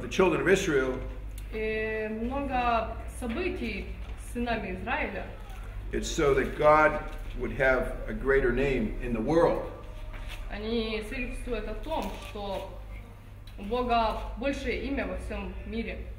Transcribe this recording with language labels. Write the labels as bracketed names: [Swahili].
[Russian] много событий с сынами Израиля. [English] It's so that God would have a greater name in the world. [Russian] Они свидетельствуют о том, что у Бога большее имя во всем мире.